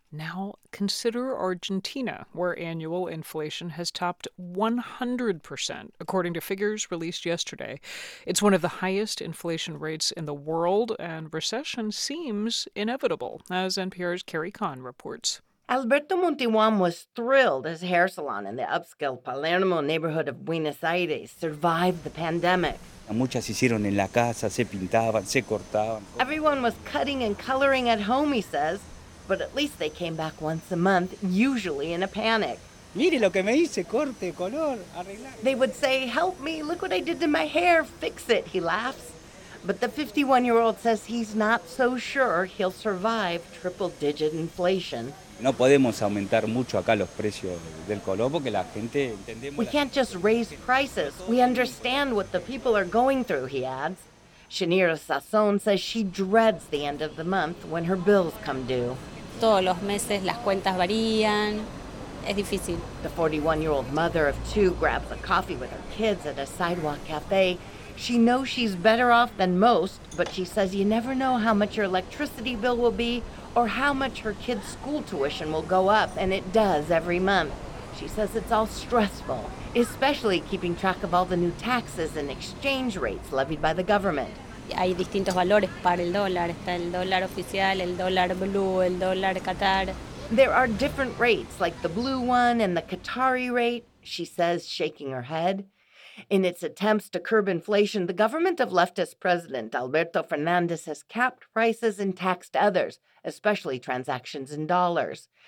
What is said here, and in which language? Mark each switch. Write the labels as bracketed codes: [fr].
[en] Now consider Argentina, where annual inflation has topped 100%, according to figures released yesterday. It's one of the highest inflation rates in the world, and recession seems inevitable, as NPR's Carrie Kahn reports. Alberto Montiwam was thrilled his hair salon in the upscale Palermo neighborhood of Buenos Aires survived the pandemic. [es] Muchas hicieron en la casa, se pintaban, se cortaban. [en] Everyone was cutting and coloring at home, he says, but at least they came back once a month, usually in a panic. [es] Mire lo que me hice, corte, color, arreglar. [en] They would say, help me, look what I did to my hair, fix it, he laughs. But the 51-year-old says he's not so sure he'll survive triple-digit inflation. We can't just raise prices. We understand what the people are going through, he adds. Shanira Sasson says she dreads the end of the month when her bills come due. [es] Todos los meses las cuentas varían. Es difícil. [en] The 41-year-old mother of two grabs a coffee with her kids at a sidewalk cafe. She knows she's better off than most, but she says you never know how much your electricity bill will be or how much her kid's school tuition will go up, and it does every month. She says it's all stressful, especially keeping track of all the new taxes and exchange rates levied by the government. [es] Hay distintos valores para el dólar. Está el dólar oficial, el dólar blue, el dólar Qatar. [en] There are different rates, like the blue one and the Qatari rate, she says, shaking her head. In its attempts to curb inflation, the government of leftist president Alberto Fernandez has capped prices and taxed others, especially transactions in dollars.